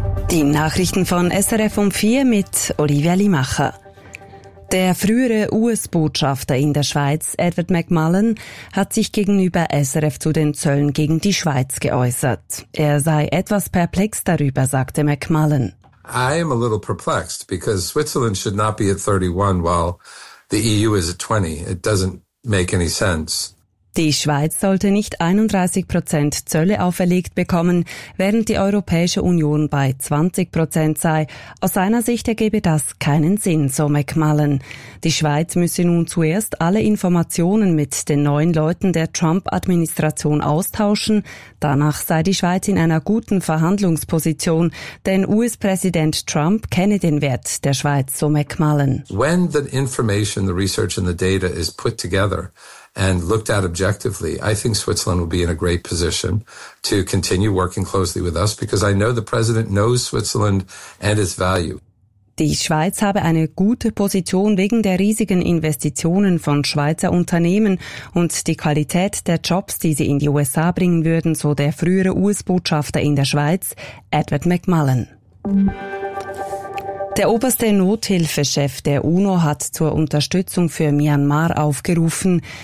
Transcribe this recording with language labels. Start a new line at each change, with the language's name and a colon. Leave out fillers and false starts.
German: Die Nachrichten von SRF um 4 mit Olivia Limacher. Der frühere US-Botschafter in der Schweiz, Edward McMullen, hat sich gegenüber SRF zu den Zöllen gegen die Schweiz geäußert. Er sei etwas perplex darüber, sagte McMullen.
English: I am a little perplexed because Switzerland should not be at 31 while the EU is at 20. It doesn't make any sense.
German: Die Schweiz sollte nicht 31% Zölle auferlegt bekommen, während die Europäische Union bei 20% sei. Aus seiner Sicht ergebe das keinen Sinn, so McMullen. Die Schweiz müsse nun zuerst alle Informationen mit den neuen Leuten der Trump-Administration austauschen. Danach sei die Schweiz in einer guten Verhandlungsposition, denn US-Präsident Trump kenne den Wert der Schweiz, so McMullen.
English: When the information, the research and the data is put together, and looked at objectively, I think Switzerland will be in a great position to continue working closely with us because I know the president knows Switzerland and its value.
German: Die Schweiz habe eine gute Position wegen der riesigen Investitionen von Schweizer Unternehmen und die Qualität der Jobs, die sie in die USA bringen würden, so der frühere US-Botschafter in der Schweiz, Edward McMullen. Der oberste Nothilfechef der UNO hat zur Unterstützung für Myanmar aufgerufen.